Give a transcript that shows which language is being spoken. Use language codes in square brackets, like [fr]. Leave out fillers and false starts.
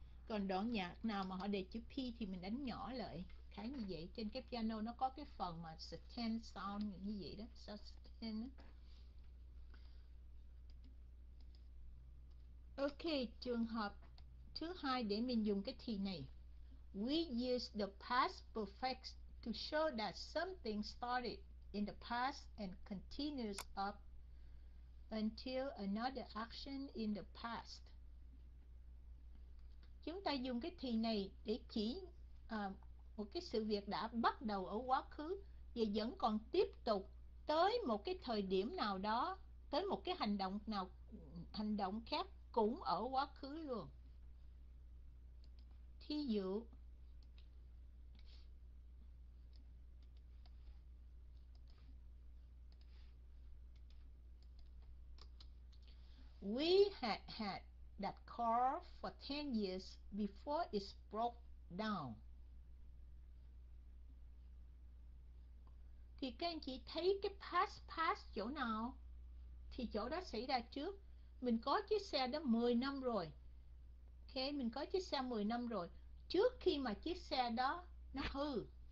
[vi] Còn đoạn nhạc nào mà họ đề chữ P thì mình đánh nhỏ lại. Khá như vậy. Trên cái piano nó có cái phần mà sustain sound như vậy đó. Sustain đó. Ok, trường hợp thứ hai để mình dùng cái thì này. [en] We use the past perfect to show that something started in the past and continues up until another action in the past. [vi] Chúng ta dùng cái thì này để chỉ một cái sự việc đã bắt đầu ở quá khứ và vẫn còn tiếp tục tới một cái thời điểm nào đó, tới một cái hành động nào, hành động khác cũng ở quá khứ luôn. Thí dụ, [en] We had had that car for 10 years before it broke down. [vi] Thì các anh chị thấy cái past past chỗ nào? Thì chỗ đó xảy ra trước. Mình có chiếc xe đó 10 năm rồi. Ok, mình có chiếc xe 10 năm rồi. Trước khi mà chiếc xe đó nó hư.